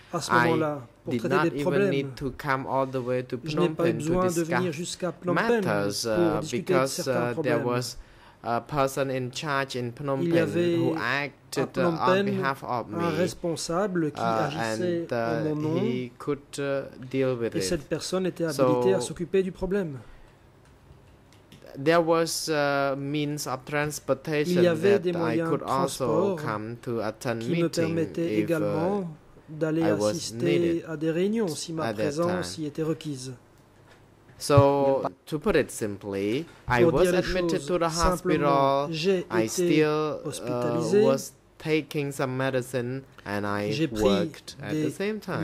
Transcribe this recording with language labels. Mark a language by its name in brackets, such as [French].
[English] I did not even need to come all the way to Phnom Penh to discuss matters because there was a person in charge in Phnom Penh who acted on behalf of me, and he could deal with it. [French] Cette personne était habilitée à s'occuper du problème. [English] There was a means of transportation that I could also come to attend meeting if I was needed at that time. So, to put it simply, I was admitted to the hospital, I still was taking some medicine, and I worked at the same time.